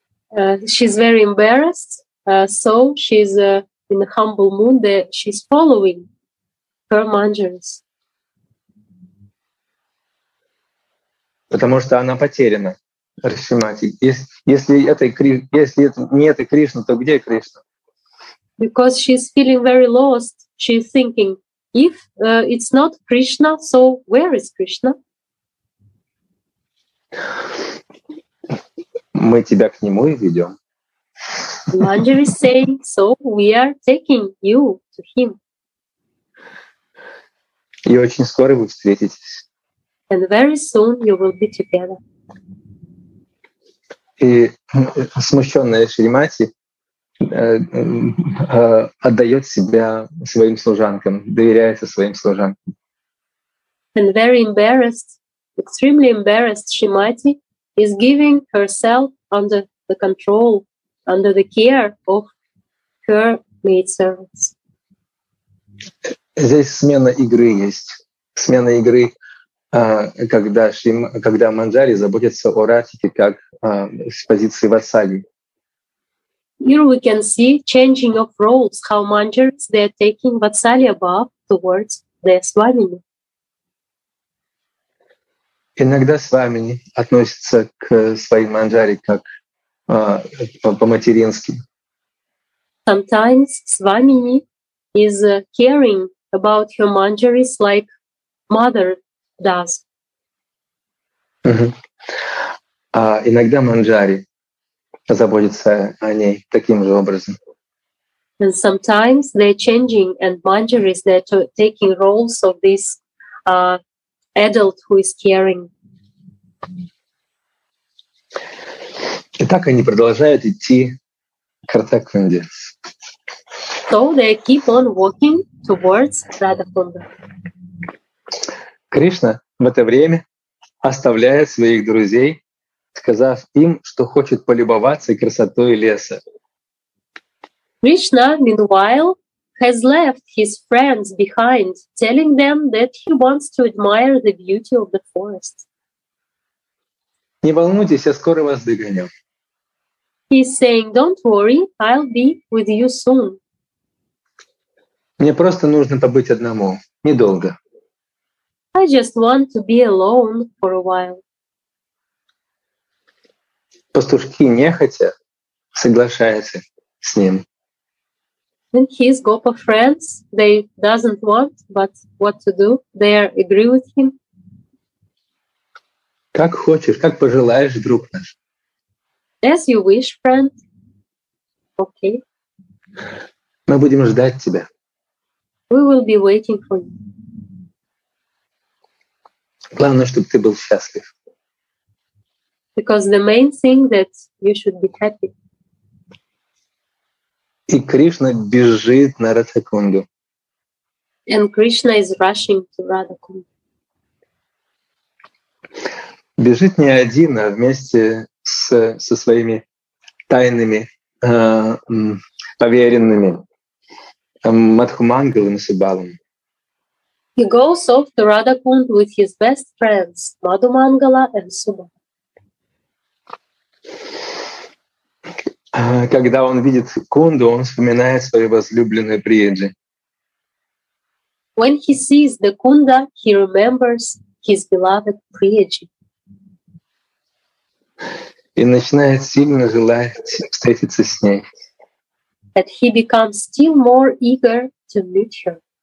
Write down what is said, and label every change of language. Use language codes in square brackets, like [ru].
[en] She's very embarrassed, so she's in a humble mood that she's following her Manjaris. [ru] Потому что она потеряна. Рисимати. Если это не Кришна, то где Кришна? [en] Because she's feeling very lost. She's thinking, if it's not Krishna, so where is Krishna? [ru] Мы тебя к нему и ведем. [en] Manjari is saying, so we are taking you to him. [ru] И очень скоро вы встретитесь. [en] And very soon you will be together. [ru] И смущенная Шримати отдает себя своим служанкам, доверяется своим служанкам. [en] And very embarrassed, extremely embarrassed, Шримати is giving herself under the control, under the care of her maidservants. [ru] Здесь смена игры есть. Смена игры, когда Манджари заботится о Радхике как с позиции вассали. [en] Here we can see changing of roles, how Manjaris, they are taking vatsali above towards their swamini. [ru] Иногда свамини относится к своим манджари как по-матерински. [en] Sometimes свамини is caring about her manjaris like mother does. [ru] А иногда манджари заботится о ней таким же образом. [en] And sometimes they're changing, and manjaris, they're taking roles of this adult who is caring. [ru] И так они продолжают идти к Радхакунде. [en] So they keep on walking towards Radhakunda. [ru] Кришна в это время оставляет своих друзей, сказав им, что хочет полюбоваться красотой леса. [en] Krishna, meanwhile, has left his friends behind, telling them that he wants to admire the beauty of the forest. [ru] Не волнуйтесь, я скоро вас догоню. [en] He's saying, don't worry, I'll be with you soon. [ru] Мне просто нужно побыть одному, недолго. [en] I just want to be alone for a while. [ru] Пастушки нехотя соглашаются с ним. [en] And his gopa friends, they doesn't want, but what to do? They agree with him. [ru] Как хочешь, как пожелаешь, друг наш. [en] As you wish, friend. Okay. [ru] Мы будем ждать тебя. [en] We will be waiting for you. [ru] Главное, чтобы ты был счастлив. [en] Because the main thing that you should be happy. [ru] И Кришна бежит на Радхакунду. [en] And Krishna is rushing to Radhakunda. [ru] Бежит не один, а вместе со своими тайными поверенными Мадхумангалом и Сибалом. [en] He goes off to Radhakunda with his best friends Madhumangala and Subala. [ru] Когда он видит Кунду, он вспоминает свою возлюбленную Приеджи. [en] When he sees the Kunda, he remembers his beloved Priyaji. [ru] И начинает сильно желать встретиться с ней. [en] And he becomes still more eager to meet her.